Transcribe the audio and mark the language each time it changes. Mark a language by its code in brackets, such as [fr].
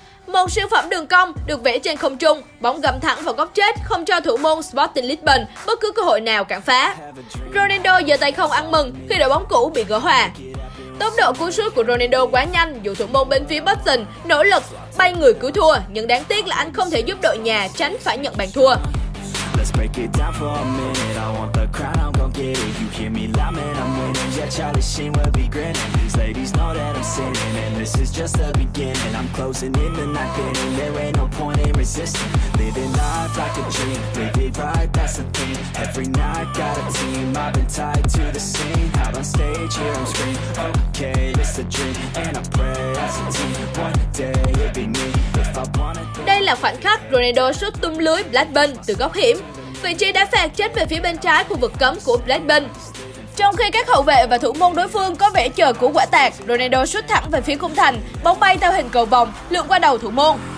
[vi] Một siêu phẩm đường cong được vẽ trên không trung, bóng gầm thẳng vào góc chết không cho thủ môn Sporting Lisbon bất cứ cơ hội nào cản phá. Ronaldo giơ tay không ăn mừng khi đội bóng cũ bị gỡ hòa. Tốc độ cứu sút của Ronaldo quá nhanh dù thủ môn bên phía Boston nỗ lực bay người cứu thua, nhưng đáng tiếc là anh không thể giúp đội nhà tránh phải nhận bàn thua. [en] Let's break it down for a minute. I want the crown, I'm gon' get it. You hear me loud, man, I'm winning. Yeah, Charlie Sheen will be grinning. These ladies know that I'm sinning, and this is just the beginning. I'm closing in the night, getting there ain't no point in resisting. Living life like a dream, living right, that's the thing. Every night, got a team, I've been tied to the scene. Out on stage, here on screen. Okay, it's a dream, and I pray as a team. One day, it'll be me. [vi] Đây là khoảnh khắc Ronaldo sút tung lưới Blackburn từ góc hiểm. Vị trí đá phạt chết về phía bên trái khu vực cấm của Blackburn. Trong khi các hậu vệ và thủ môn đối phương có vẻ chờ cú quả tạt, Ronaldo sút thẳng về phía khung thành, bóng bay theo hình cầu vòng, lượn qua đầu thủ môn.